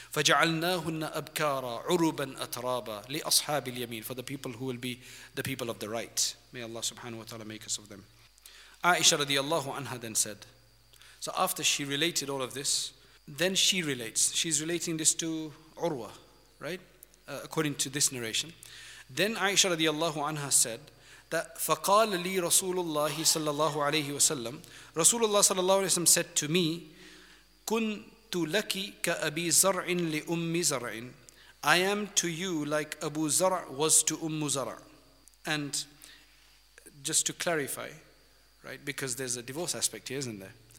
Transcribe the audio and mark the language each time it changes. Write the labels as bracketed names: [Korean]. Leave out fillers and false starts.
[Arabic] فَجَعَلْنَاهُنَّ أَبْكَارًا عُرُوبًا أَتْرَابًا لِأَصْحَابِ الْيَمِينَ. [English] For the people who will be the people of the right. May Allah subhanahu wa ta'ala make us of them. Aisha radiallahu anha then said, so after she related all of this, then she relates, she's relating this to Urwa, right? According to this narration. Then Aisha radiallahu anha said that [Arabic] فَقَالَ لِي رَسُولُ اللَّهِ صَلَّى اللَّهُ عَلَيْهِ وَسَلَّمْ. [English] Rasulullah sallallahu alayhi wa sallam said to me, [Arabic] كُنْتُ لَكِ كَأَبِي زَرْعٍ لِأُمِّ زَرْعٍ. [English] I am to you like Abu Zar' was to Ummu Zar'. And just to clarify, right, because there's a divorce aspect here, isn't there?